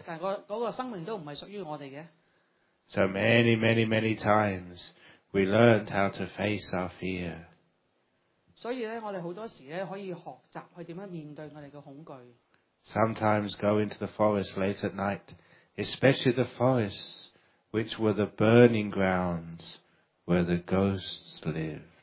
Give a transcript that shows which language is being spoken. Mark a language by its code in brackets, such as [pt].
[yue] 但系嗰个生命都唔系属于我哋嘅。 [en] So many, many, many times we learned how to face our fear. [yue] 所以咧，我哋好多时咧可以学习去点样面对我哋嘅恐惧。 [en] Sometimes go into the forest late at night, especially the forests which were the burning grounds where the ghosts lived.